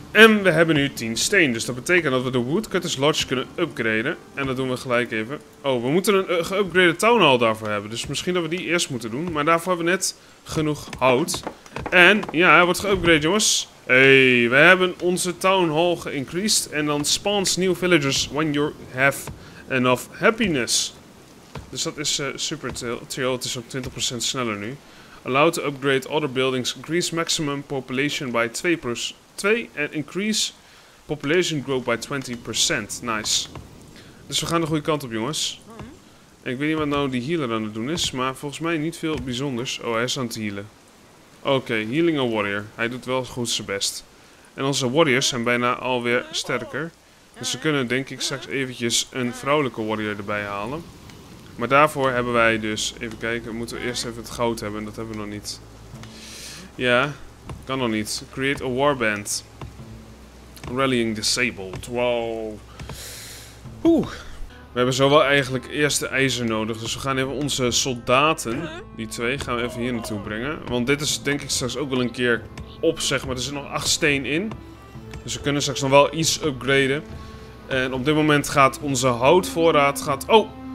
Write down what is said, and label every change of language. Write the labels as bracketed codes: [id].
[nl] En we hebben nu 10 steen, dus dat betekent dat we de Woodcutters Lodge kunnen upgraden. En dat doen we gelijk even. Oh, we moeten een geupgraded town hall daarvoor hebben. Dus misschien dat we die eerst moeten doen. Maar daarvoor hebben we net genoeg hout. En, ja, hij wordt geupgraded, jongens. Hey, we hebben onze town hall geïncreased. En dan [en] spawns new villagers when you have enough happiness. [nl] Dus dat is super chill. Het is op 20% sneller nu. [en] Allow to upgrade other buildings, increase maximum population by 2+2 [nl] en [en] increase population growth by 20%. Nice. [nl] Dus we gaan de goede kant op, jongens. En ik weet niet wat nou die healer aan het doen is, maar volgens mij niet veel bijzonders. Oh, hij is aan het healen. Oké, [en] healing a warrior. [nl] Hij doet wel goed zijn best. En onze warriors zijn bijna alweer sterker. Dus we kunnen denk ik straks eventjes een vrouwelijke warrior erbij halen. Maar daarvoor hebben wij dus, even kijken, moeten we eerst even het goud hebben. Dat hebben we nog niet. Ja, kan nog niet. [en] Create a warband. Rallying disabled. Wow. Oeh. [nl] We hebben zo wel eigenlijk eerst de ijzer nodig. Dus we gaan even onze soldaten, die twee, gaan we even hier naartoe brengen. Want dit is denk ik straks ook wel een keer op, zeg maar. Er zit nog 8 steen in. Dus we kunnen straks nog wel iets upgraden. En op dit moment gaat onze houtvoorraad gaat... Oh!